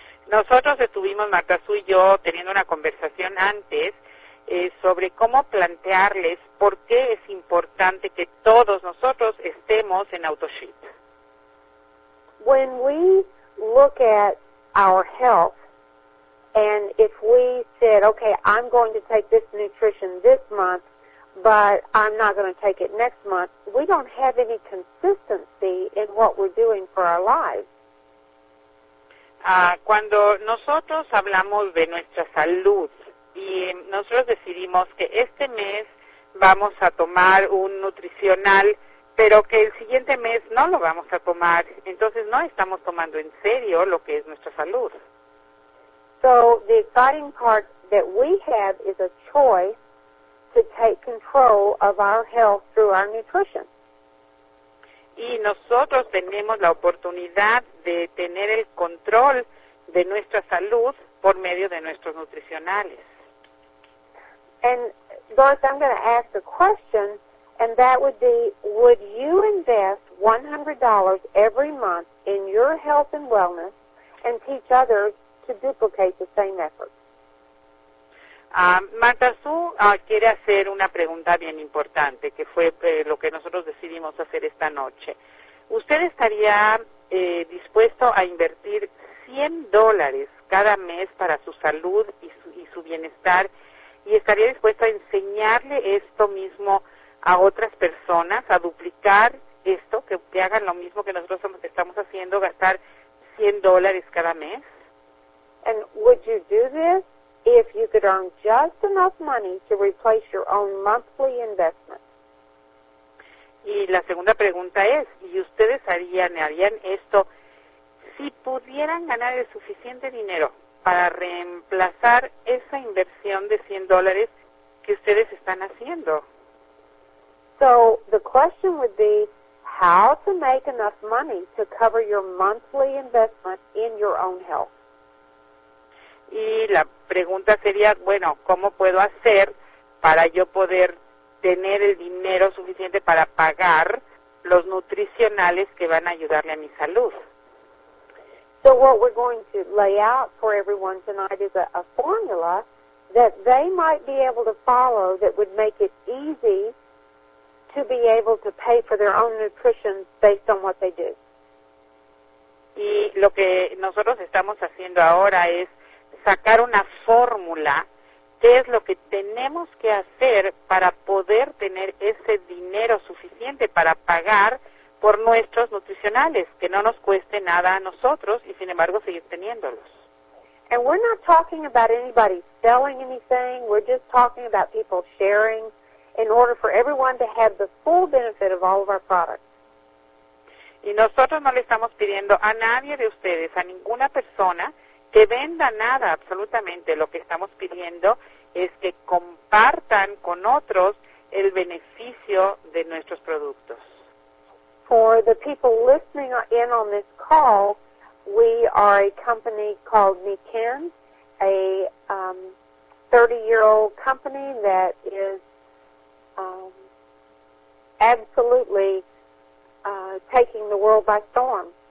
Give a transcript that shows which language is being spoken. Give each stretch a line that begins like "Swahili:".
Spanish: Nosotros estuvimos, Marta Sue y yo, teniendo una conversación antes sobre cómo plantearles por qué es importante que todos nosotros estemos en autoship.
English: When we look at our health, and if we said, okay, I'm going to take this nutrition this month, but I'm not going to take it next month, we don't have any consistency in what we're doing for our lives.
Spanish: Cuando nosotros hablamos de nuestra salud y nosotros decidimos que este mes vamos a tomar un nutricional, pero que el siguiente mes no lo vamos a tomar, entonces no estamos tomando en serio lo que es nuestra salud.
English: So the exciting part that we have is a choice to take control of our health through our nutrition.
Spanish: Y nosotros tenemos la oportunidad de tener el control de nuestra salud por medio de nuestros nutricionales.
English: And, Doris, I'm going to ask a question, and that would be, would you invest $100 every month in your health and wellness and teach others to duplicate the same effort?
Spanish: Marta Su quiere hacer una pregunta bien importante, que fue lo que nosotros decidimos hacer esta noche. ¿Usted estaría dispuesto a invertir $100 cada mes para su salud y su bienestar, y estaría dispuesto a enseñarle esto mismo a otras personas, a duplicar esto, que hagan lo mismo que nosotros estamos haciendo, gastar $100 cada mes?
English: And would you do this if you could earn just enough money to replace your own monthly investment?
Spanish: Y la segunda pregunta es, ¿y ustedes harían esto si pudieran ganar el suficiente dinero para reemplazar esa inversión de $100 que ustedes están haciendo?
English: So the question would be, how to make enough money to cover your monthly investment in your own health?
Spanish: Y la pregunta sería, bueno, ¿cómo puedo hacer para yo poder tener el dinero suficiente para pagar los nutricionales que van a ayudarle a mi salud?
English: So what we're going to lay out for everyone tonight is a formula that they might be able to follow that would make it easy to be able to pay for their own nutrition based on what they do.
Spanish: Y lo que nosotros estamos haciendo ahora es sacar una fórmula, qué es lo que tenemos que hacer para poder tener ese dinero suficiente para pagar por nuestros nutricionales, que no nos cueste nada a nosotros y sin embargo seguir teniéndolos.
English: And we're not talking about anybody selling anything, we're just talking about people sharing in order for everyone to have the full benefit of all of our products.
Spanish: Y nosotros no le estamos pidiendo a nadie de ustedes, a ninguna persona, que venda nada, absolutamente. Lo que estamos pidiendo es que compartan con otros el beneficio de nuestros productos.
English: For the people listening in on this call, we are a company called Niken, a 30-year-old company that is absolutely taking the world by storm.